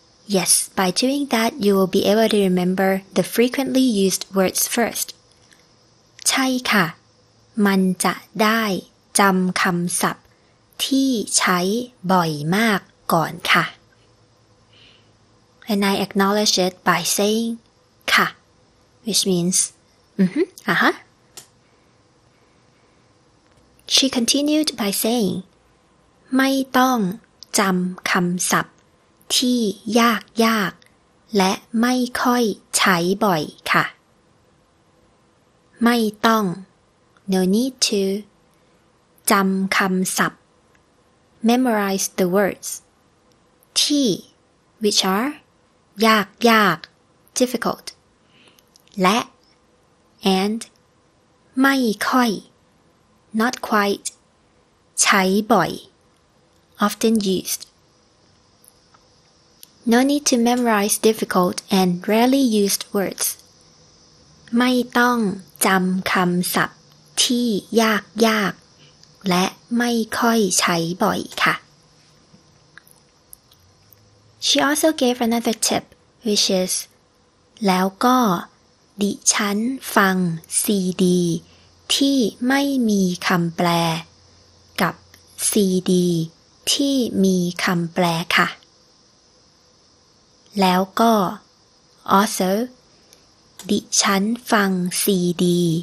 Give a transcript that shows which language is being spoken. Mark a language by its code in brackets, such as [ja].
[en] Yes, by doing that, you will be able to remember the frequently used words first. [th] ใช่ค่ะ มันจะได้จำคำศัพท์ที่ใช้บ่อยมากก่อนค่ะ [en] And I acknowledge it by saying ค่ะ which means She continued by saying, [th] ไม่ต้องจำคำศัพท์ที่ยากยากและไม่ค่อยใช้บ่อยค่ะไม่ต้อง [en] no need to [th] จำคำศัพท์ [en] memorize the words [th] ที่ [en] which are [th] ยาก [en] difficult [th] และ [en] and [th] ไม่ค่อย [en] Not quite. [th] ใช้บ่อย. [en] Often used. No need to memorize difficult and rarely used words. [th] ไม่ต้องจำคำศัพท์ที่ยากยากและไม่ค่อยใช้บ่อยค่ะ. [en] She also gave another tip, which is, [th] แล้วก็ดิฉันฟังซีดีที่ไม่มีคำแปลกับซีดีที่มีคำแปลค่ะแล้วก็ also ดิฉันฟังซีดี